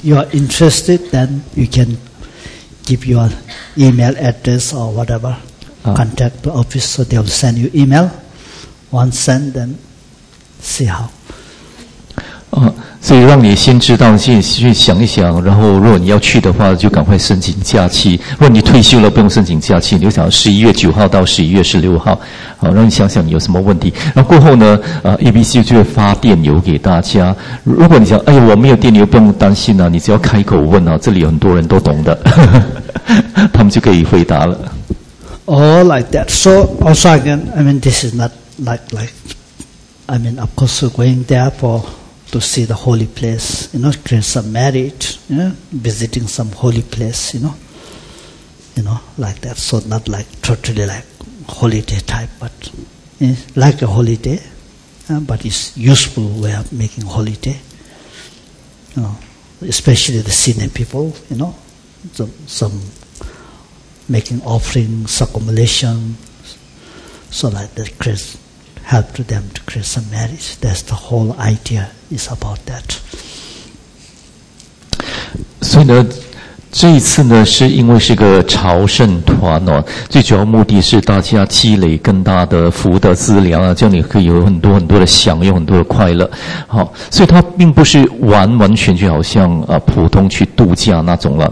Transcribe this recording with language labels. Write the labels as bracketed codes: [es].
[en] You are interested, then you can give your email address or whatever. Contact the office, so they'll send you email. Once sent, then see how. [zh] 所以让你先知道，先去想一想，然后如果你要去的话，就赶快申请假期。如果你退休了，不用申请假期，你就想11月9号到11月16号，让你想想有什么问题。然后过后呢，ABC 就会发电邮给大家。如果你想，哎呦，我没有电邮，不用担心啊，你只要开口问啊，这里有很多人都懂的，他们就可以回答了。 [en] All like that. So also again, I mean, this is not like, I mean, of course, we're going there for. To see the holy place, you know, create some merit, you know, visiting some holy place, you know, like that. So not like totally like holiday type, but you know, like a holiday, but it's useful way of making holiday. You know, especially the senior people, you know, some making offerings, accumulation, so like that creates, help to them to create some merit. That's the whole idea. Is about that. [zh] 所以呢，这一次呢，是因为是个朝圣团哦，最主要目的是大家积累更大的福德资粮啊，这样你可以有很多很多的享用，很多的快乐。好，所以它并不是完完全全好像普通去度假那种了。